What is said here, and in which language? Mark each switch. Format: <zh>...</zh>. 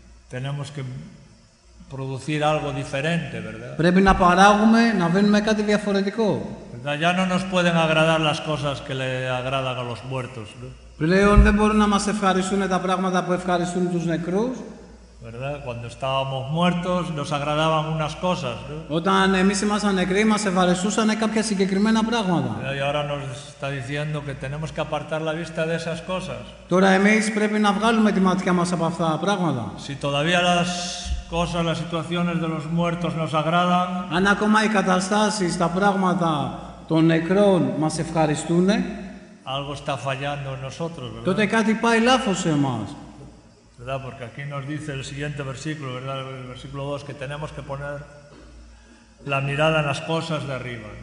<es>Tenemos que producir algo diferente, ¿verdad?</es> <el>Πρέπει να παράγουμε, να βγαίνουμε κάτι διαφορετικό.</el> <es>¿Verdad? Ya no nos pueden agradar las cosas que le agradan a los muertos, ¿no?</es> <el>Πλέον δεν μπορούν να μας ευχαριστούν τα πράγματα που ευχαριστούν τους νεκρούς.</el> <es>¿Verdad? Cuando estábamos muertos, nos agradaban unas cosas, ¿no?</es> <el>Όταν εμείς ήμασταν νεκροί, μας ευχαριστούσαν κάποια συγκεκριμένα πράγματα.</el> <es>Y ahora nos está diciendo que tenemos que apartar la vista de esas cosas.</es> <el>Τώρα εμείς πρέπει να βγάλουμε τη ματιά μας από αυτά τα πράγματα.</el> <es>Si todavía las cosas, las situaciones de los muertos nos agradan.</es> <el>Αν ακόμα οι καταστάσεις, τα πράγματα των νεκρών μας ευχαριστούν.</el> <es>Algo está fallando en nosotros, ¿verdad?</es> <el>Τότε κάτι πάει λάθος σε εμάς.</el> <es>¿Verdad? Porque aquí nos dice el siguiente versículo, ¿verdad? El versículo 2, que tenemos que poner la mirada en las cosas de arriba.</es>